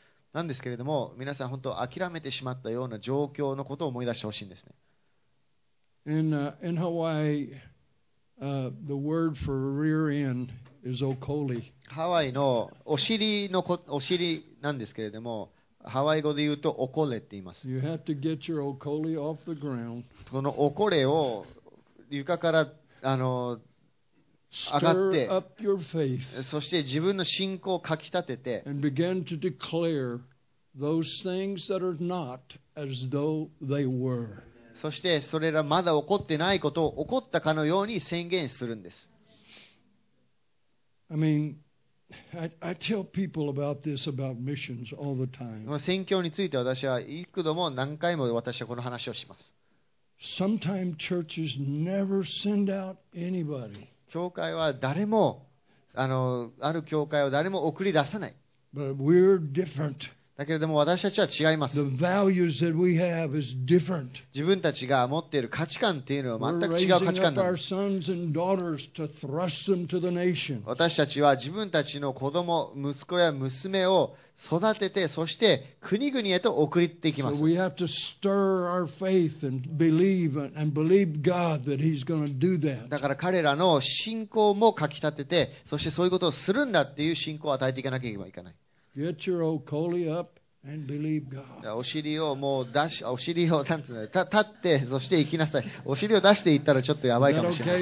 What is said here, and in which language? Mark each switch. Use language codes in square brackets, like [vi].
[ja] なんですけれども、皆さん本当諦めてしまったような状況のことを思い出してほしいんですね。 [en] In Hawaii, the word for rear end is okoli. [ja] ハワイのお尻なんですけれども、ハワイ語で言うとおこれって言います。 [en] You have to get your okoli off the ground. [ja] このおこれを床から上がって、 [en] Stir up your faith, [ja] そして自分の信仰をかきたてて、 [en] and begin to declare those things that are not as though they were. [ja] そしてそれらまだ起こってないことを起こったかのように宣言するんです。 [en] I mean, I tell people about this about missions all the time. [ja] この宣教について私は幾度も何回も私はこの話をします。 [en] Sometimes churches never send out anybody. [ja] 教会は誰も、ある教会を誰も送り出さない。 [en] But we're different. [ja] だけれども私たちは違います。 [en] The values that we have is different. [ja] 自分たちが持っている価値観というのは全く違う価値観なんです。 [en] We're raising up our sons and daughters to thrust them to the nation. [ja] 私たちは自分たちの子供、息子や娘を育てて、そして国々へと送っていきます。 [en] So we have to stir our faith and believe and believe God that He's going to do that. [ja] だから彼らの信仰もかきたてて、そしてそういうことをするんだっていう信仰を与えていかなければいけない。 [en] Get your okoli up and believe God. [ja] お尻をもう出し、お尻を立つ、立って、そして行きなさい。お尻を出して行ったらちょっとやばいかもしれない。